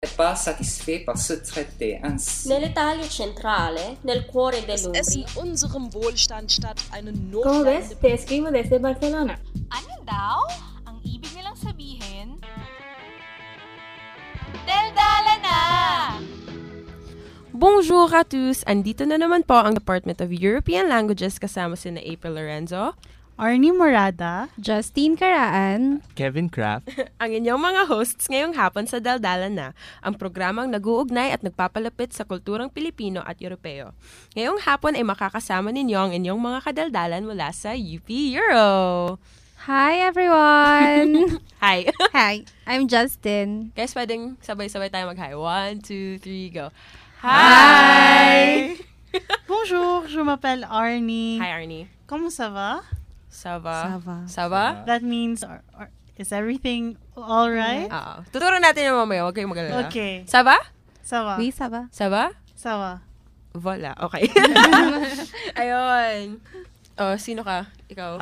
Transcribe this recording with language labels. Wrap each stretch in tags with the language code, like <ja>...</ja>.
<fr>pas satisfait par ce traité ainsi.</fr> <it>Nell'Italia centrale, nel cuore dell'Umbria.</it> <es>Come ves, te escribo desde Barcelona.</es> <tl>Ano daw ang ibig nilang sabihin? Daldala na!</tl> <fr>Bonjour à tous!</fr> <tl>Andito na naman po ang Department of European Languages kasama si na April Lorenzo, Arnie Morada, Justine Caraan, Kevin Kraft, ang inyong mga hosts ngayong hapon sa Daldala Na, ang programang nag-uugnay at nagpapalapit sa kulturang Pilipino at Europeo. Ngayong hapon ay makakasama ninyo ang inyong mga kadaldalan mula sa UP Euro!</tl> <en>Hi everyone! Hi! Hi! I'm Justine.</en> <tl>Guys, pwedeng sabay-sabay tayo mag-hi. 1, 2, 3, go!</tl> <en>Hi!</en> <fr>Bonjour, je m'appelle Arnie.</fr> <en>Hi Arnie.</en> <fr>Comment ça va? Ça va. Ça va. Ça va?</fr> <en>That means, is everything all right?</en> <tl>Uh-oh. Tuturo natin yung mamaya, huwag kayong mag-alala.</tl> <en>Okay.</en> <fr>Ça va? Ça va. Oui, ça va. Ça va? Ça va.</fr> <tl>Voilà, okay. Ayun. Oh, sino ka? Ikaw?</tl>